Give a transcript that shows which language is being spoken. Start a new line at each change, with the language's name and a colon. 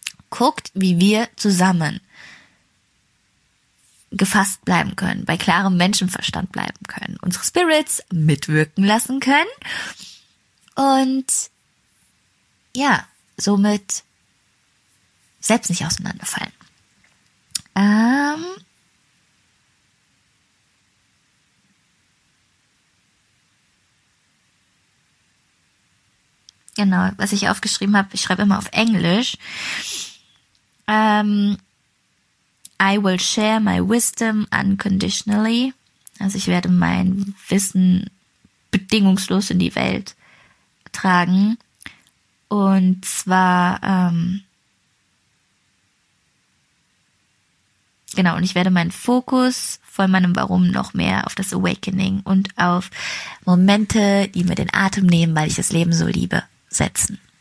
German: Guckt, wie wir zusammen gefasst bleiben können, bei klarem Menschenverstand bleiben können, unsere Spirits mitwirken lassen können und ja, somit selbst nicht auseinanderfallen. Genau, was ich aufgeschrieben habe, ich schreibe immer auf Englisch.
English: I will share my wisdom unconditionally.
German: Also ich werde mein Wissen bedingungslos in die Welt tragen. Und zwar, genau, und ich werde meinen Fokus von meinem Warum noch mehr auf das Awakening und auf Momente, die mir den Atem nehmen, weil ich das Leben so liebe, setzen.